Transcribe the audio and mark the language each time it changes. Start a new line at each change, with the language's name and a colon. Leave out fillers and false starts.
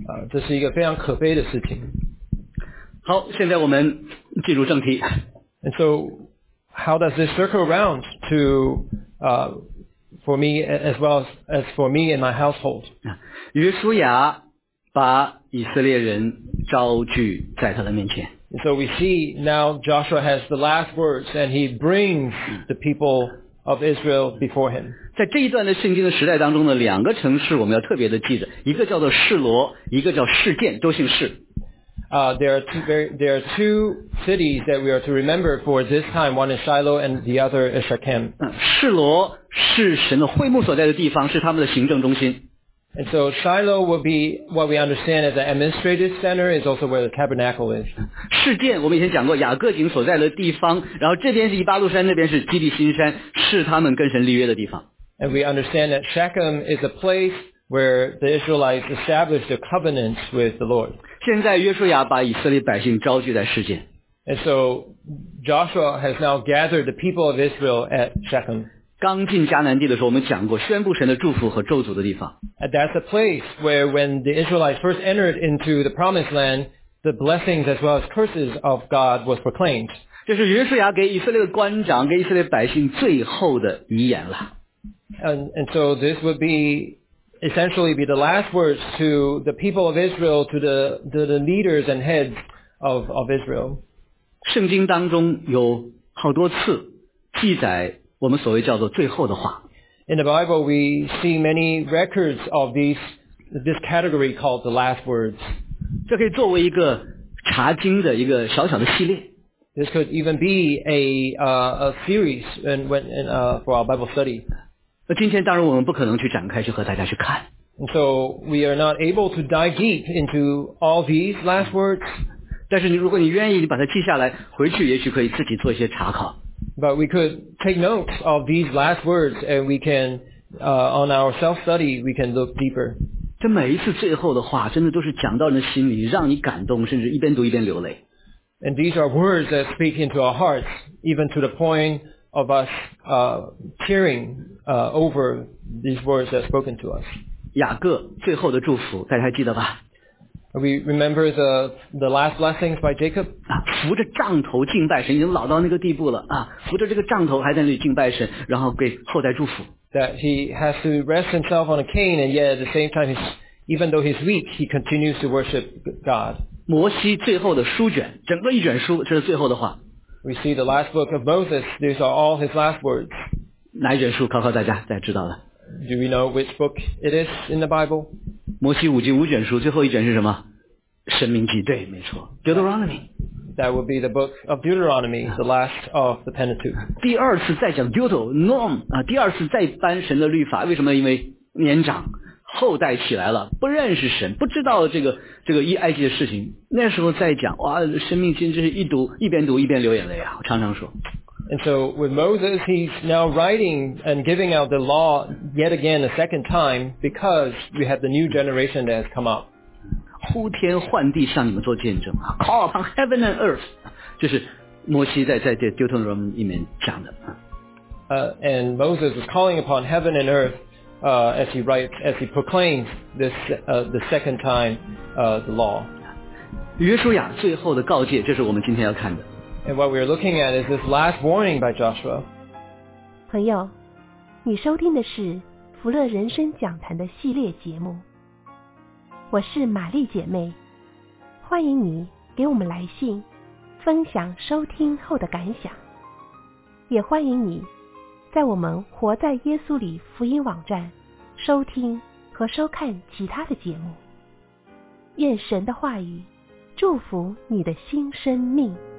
Chinese: 这是一个非常可悲的事情好现在我们进入正题
English: And so how does this circle around to for me as well as for me and my household
Chinese: 约书亚把以色列人招聚在他的面前
English: so we see now Joshua has the last words and he brings the people of Israel before him
Chinese: 在这一段的圣经的时代当中呢两个城市我们要特别的记着一个叫做示罗一个叫示剑都姓示
English: there are two cities that we are to remember for this time one is Shiloh and the other is Shechem
Chinese: 示罗是神的会幕所在的地方是他们的行政中心
English: and so Shiloh will be what we understand as the administrative center is also where the tabernacle is
Chinese: 示剑我们以前讲过雅各井所在的地方然后这边是以巴路山那边是基利新山是他们跟神立约的地方
English: and we understand that Shechem is a place where the Israelites established a covenant with the Lord
Chinese: 现在约书亚把以色列百姓招聚在示剑
English: and so Joshua has now gathered the people of Israel at Shechem
Chinese: 刚进迦南地的时候我们讲过宣布神的祝福和咒诅的地方
English: That's the place where when the Israelites first entered into the promised land the blessings as well as curses of God was proclaimed
Chinese: 这是约书亚给以色列的官长给以色列百姓最后的遗言了
English: and so this would be essentially be the last words to the people of Israel to the leaders and heads of Israel
Chinese: 圣经当中有好多次记载我们所谓叫做最后的话。
English: In the Bible, we see many records of this category called the last words.
Chinese: 这可以作为一个查经的一个小小的系列。
English: This could even be a series for our Bible study.
Chinese: 那今天当然我们不可能去展开去和大家去看。
English: And so we are not able to dive deep into all these last words.
Chinese: 但是如果你愿意，你把它记下来，回去也许可以自己做一些查考。
English: But we could take note of these last words and we can, on our self-study, we can look deeper.
Chinese: 这每一次最后的话真的都是讲到人心里让你感动甚至一边读一边流泪。
English: And these are words that speak into our hearts, even to the point of us tearing over these words that are spoken to us.
Chinese: 雅各最后的祝福，大家还记得吧？
English: We remember the last blessings by Jacob.
Chinese: 扶着杖头敬拜神，已经老到那个地步了啊！扶着这个杖头还在那里敬拜神，然后给后代祝福。
English: That he has to rest himself on a cane, and yet at the same time, even though he's weak, he continues to worship God.
Chinese: 摩西最后的书卷，整个一卷书，这是最后的话。
English: We see the last book of Moses. These are all his last words.
Chinese: 哪一卷书？考考大家，大家知道了。
English: Do we know which book it is in the Bible?
Chinese: 摩西五经五卷书最后一卷是什么？申命记，对，没错。Deuteronomy.
English: That would be the book of Deuteronomy, the last of the Pentateuch.
Chinese: 第二次再讲 Deuteronom 啊，第二次再颁神的律法，为什么？因为年长后代起来了，不认识神，不知道这个一埃及的事情，那时候再讲，哇，申命记真是一边读一边流眼泪啊，我常常说。
English: And so with Moses, he's now writing and giving out the law yet again a second time because we have the new generation that has come up.
Chinese: 呼天唤地向你们做见证
English: Call upon heaven and earth.
Chinese: 就是摩西在 Deuteronomy 里面讲的。
English: And Moses is calling upon heaven and earth as he proclaims the second time the law.
Chinese: 约书亚最后的告诫，这是我们今天要看的。
English: And what we're looking at is this last warning by Joshua.
Chinese: 朋友，你收听的是福乐人生讲坛的系列节目。我是玛丽姐妹，欢迎你给我们来信，分享收听后的感想。也欢迎你在我们活在耶稣里福音网站收听和收看其他的节目。愿神的话语祝福你的新生命。